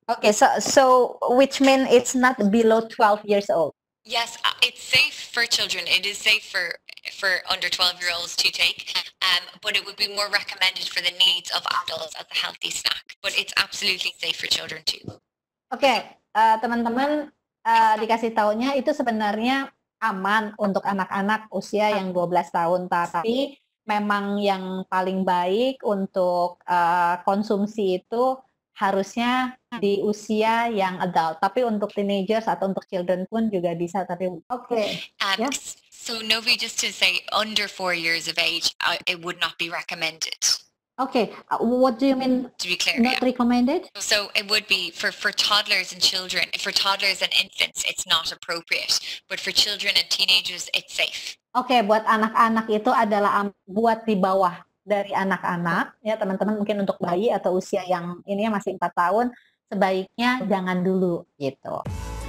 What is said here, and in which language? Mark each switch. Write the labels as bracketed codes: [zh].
[en] Okay, so which means it's not below 12 years old. Yes, it's safe for children. It is safe for under 12-year-olds to take, but it would be more recommended for the needs of adults as a healthy snack. But it's absolutely safe for children too. [id] Okay, teman-teman, dikasih taunya itu sebenarnya aman untuk anak-anak usia yang 12 tahun, tapi memang yang paling baik untuk konsumsi itu harusnya di usia yang adult, tapi untuk teenagers atau untuk children pun juga bisa, tapi okay. [en] Yes. So Novi, just to say under 4 years of age, it would not be recommended. Okay, what do you mean to be clear, not recommended? So it would be for toddlers and children, for toddlers and infants it's not appropriate, but for children and teenagers it's safe. [id] Okay, buat anak-anak itu adalah buat di bawah dari anak-anak, ya teman-teman, mungkin untuk bayi atau usia yang ininya masih 4 tahun, sebaiknya jangan dulu gitu.